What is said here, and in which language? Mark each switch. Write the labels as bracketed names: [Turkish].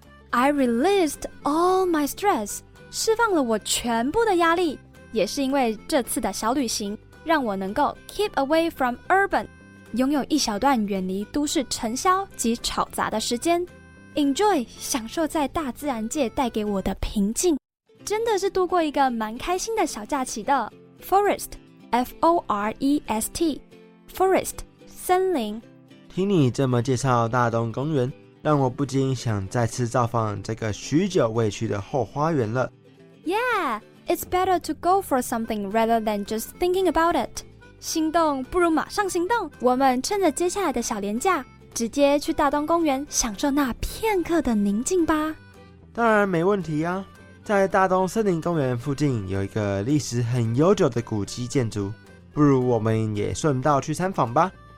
[English] I released all my stress, [Chinese] 释放了我全部的压力，也是因为这次的小旅行让我能够 [English] keep away from urban, [Chinese] 拥有一小段远离都市尘嚣及吵杂的时间， enjoy 享受在大自然界带给我的平静，真的是度过一个蛮开心的小假期的。 [English] Forest, F-O-R-E-S-T, Forest, [Chinese] 森林。听你这么介绍大东公园，让我不禁想再次造访这个许久未去的后花园了。 [English] Yeah, it's better to go for something rather than just thinking about it. [Chinese] 心动不如马上行动，我们趁着接下来的小连假，直接去大东公园享受那片刻的宁静吧。当然没问题啊，在大东森林公园附近有一个历史很悠久的古迹建筑，不如我们也顺道去参访吧。